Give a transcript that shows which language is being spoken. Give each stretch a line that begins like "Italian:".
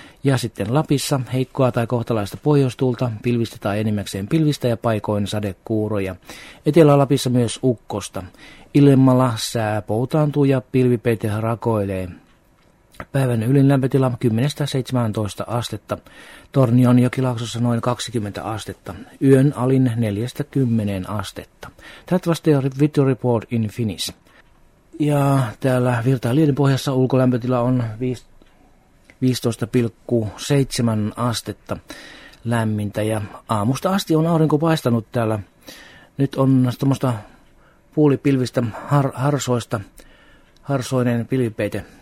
Finnish: Ja sitten Lapissa heikkoa tai kohtalaista pohjoistuulta, pilvistä tai enimmäkseen pilvistä ja paikoin sadekuuroja. Etelä-Lapissa myös ukkosta. Ilmalla sää poutaantuu ja pilvipeite rakoilee. Päivän ylilämpötila 10-17 astetta. Tornion jokilaaksossa noin 20 astetta. Yön alin 4-10 astetta.
English: That was the video report in Finnish.
Finnish: Ja täällä Virtaalien pohjassa ulkolämpötila on 15,7 astetta lämmintä. Ja aamusta asti on aurinko paistanut täällä. Nyt on tuommoista puulipilvistä harsoista, harsoinen pilvipeite.